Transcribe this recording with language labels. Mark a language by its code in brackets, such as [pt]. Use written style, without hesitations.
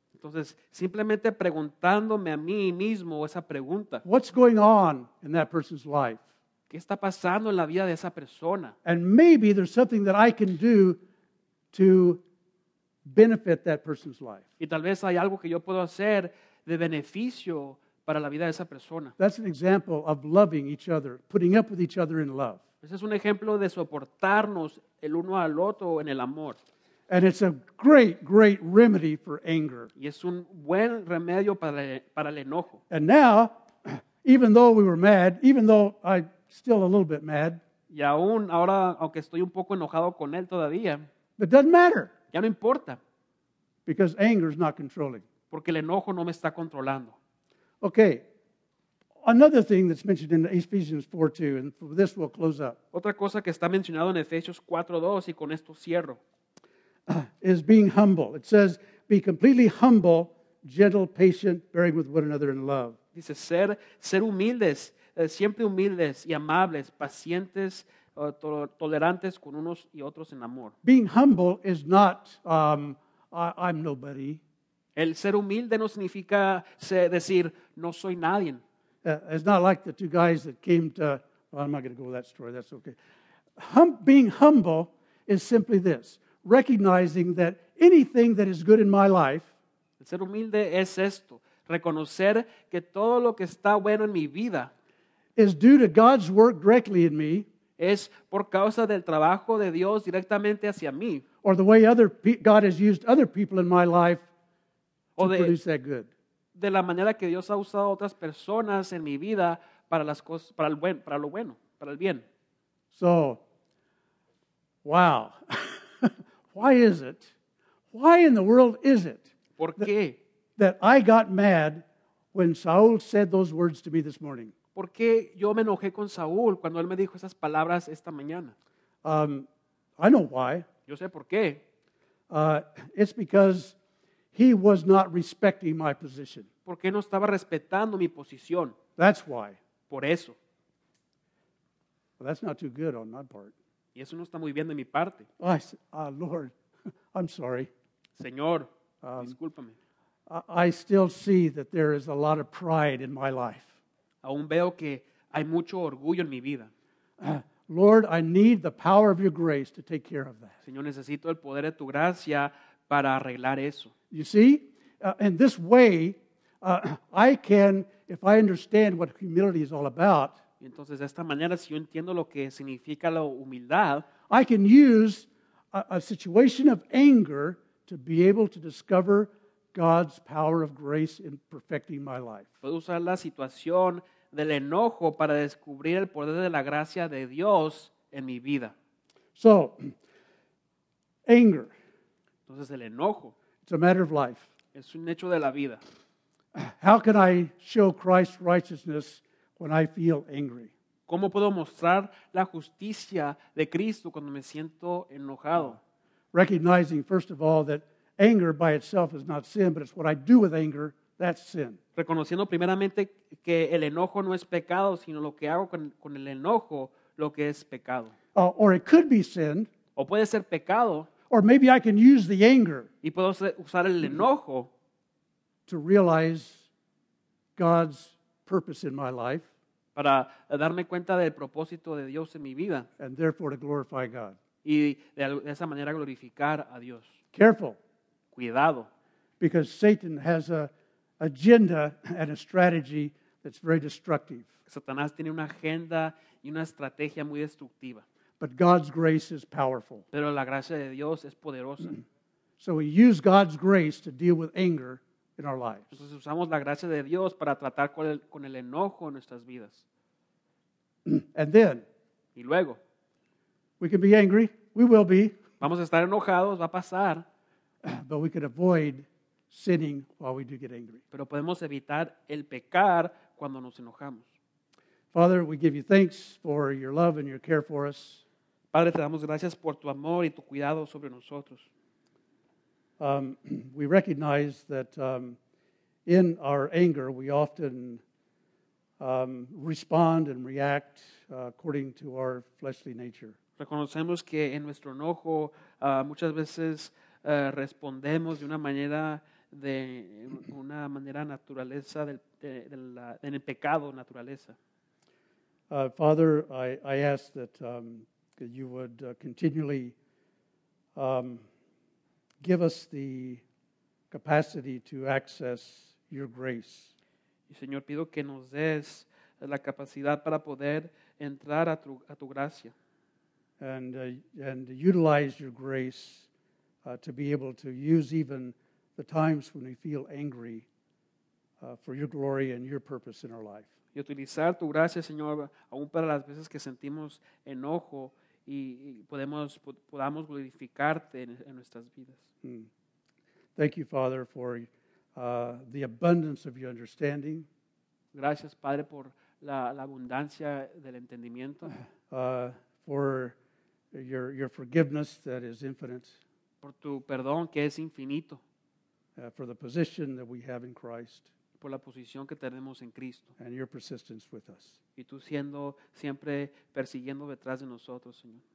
[es] Entonces, simplemente preguntándome a mí mismo esa pregunta. [en] What's going on in that person's life? [es] ¿Qué está pasando en la vida de esa persona? [en] And maybe there's something that I can do to benefit that person's life. [es] Y tal vez hay algo que yo puedo hacer de beneficio para la vida de esa persona. [en] That's an example of loving each other, putting up with each other in love. [es] Ese es un ejemplo de soportarnos el uno al otro en el amor. [en] And it's a great, great remedy for anger. [es] Y es un buen remedio para el enojo. [en] And now, even though we were mad, even though I'm still a little bit mad, [es] y aún ahora, aunque estoy un poco enojado con él todavía, [en] it doesn't matter. [es] Ya no importa. [en] Because anger is not controlling. [es] Porque el enojo no me está controlando. [en] Okay. Another thing that's mentioned in Ephesians 4:2, and for this we'll close up. [es] Otra cosa que está mencionado en Efesios 4:2 y con esto cierro. [en] Is being humble. It says, be completely humble, gentle, patient, bearing with one another in love. [es] Dice ser humildes, siempre humildes y amables, pacientes, tolerantes con unos y otros en amor. [en] Being humble is not I'm nobody. [es] El ser humilde no significa decir no soy nadie. [en] It's not like the two guys that came to, well, I'm not going to go with that story, that's okay. Being humble is simply this, recognizing that anything that is good in my life, [es] el ser humilde es esto, reconocer que todo lo que está bueno en mi vida [en] is due to God's work directly in me, [es] es por causa del trabajo de Dios directamente hacia mí, [en] or the way God has used other people in my life to produce that good. [es] De la manera que Dios ha usado a otras personas en mi vida para las cosas, para el buen, para lo bueno, para el bien. [en] So, wow. Why is it? Why in the world is it? [es] ¿Por qué? [en] That I got mad when Saul said those words to me this morning. [es] ¿Por qué yo me enojé con Saul cuando él me dijo esas palabras esta mañana? [en] I know why. [es] Yo sé por qué. [en] It's because he was not respecting my position. [es] Porque no estaba respetando mi posición. [en] That's why. [es] Por eso. [en] Well, that's not too good on my part. [es] Y eso no está muy bien de mi parte. [en] Oh, I said, Lord, I'm sorry. [es] Señor, discúlpame. [en] I still see that there is a lot of pride in my life. [es] Aún veo que hay mucho orgullo en mi vida. [en] Lord, I need the power of your grace to take care of that. [es] Señor, necesito el poder de tu gracia para arreglar eso. [en] You see, in this way, I can, if I understand what humility is all about, [es] entonces, de esta manera, si yo entiendo lo que significa la humildad, [en] I can use a situation of anger to be able to discover God's power of grace in perfecting my life. [es] Puedo usar la situación del enojo para descubrir el poder de la gracia de Dios en mi vida. [en] So, anger. [es] Entonces, el enojo. [en] It's a matter of life. [es] Es un hecho de la vida. [en] How can I show Christ's righteousness when I feel angry? [es] ¿Cómo puedo mostrar la justicia de Cristo cuando me siento enojado? [en] Recognizing, first of all, that anger by itself is not sin, but it's what I do with anger, that's sin. [es] Reconociendo primeramente que el enojo no es pecado, sino lo que hago con el enojo, lo que es pecado. [en] Or it could be sin. [es] O puede ser pecado. [en] Or maybe I can use the anger [es] y puedo usar el enojo [en] to realize God's purpose in my life [es] para darme cuenta del propósito de Dios en mi vida [en] and therefore to glorify God. [es] Y de esa manera glorificar a Dios. [en] Careful. [es] Cuidado. [en] Because Satan has an agenda and a strategy that's very destructive. [es] Satanás tiene una agenda y una estrategia muy destructiva. [en] But God's grace is powerful. [es] Pero la gracia de Dios es poderosa. [en] So we use God's grace to deal with anger in our lives. [es] Entonces usamos la gracia de Dios para tratar con el enojo en nuestras vidas. [en] And then, [es] y luego, [en] we can be angry. We will be. [es] Vamos a estar enojados. Va a pasar. [en] But we can avoid sinning while we do get angry. [es] Pero podemos evitar el pecar cuando nos enojamos. [en] Father, we give you thanks for your love and your care for us. [es] Padre, te damos gracias por tu amor y tu cuidado sobre nosotros. [en] We recognize that in our anger we often respond and react according to our fleshly nature. [es] Reconocemos que en nuestro enojo muchas veces respondemos de una manera de una manera naturaleza del en el pecado naturaleza. [en] Father, I ask that, that you would continually give us the capacity to access your grace. [es] Señor, pido que nos des la capacidad para poder entrar a tu gracia. [en] And utilize your grace to be able to use even the times when we feel angry for your glory and your purpose in our life. [es] Y utilizar tu gracia, Señor, aún para las veces que sentimos enojo y podemos, podamos glorificarte en nuestras vidas. Mm. [en] Thank you, Father, for the abundance of your understanding. [es] Gracias, Padre, por la abundancia del entendimiento. [en] For your forgiveness that is infinite. [es] Por tu perdón que es infinito. [en] For the position that we have in Christ. [es] Por la posición que tenemos en Cristo. [en] And your persistence with us. [es] Y tú siendo siempre persiguiendo detrás de nosotros, Señor.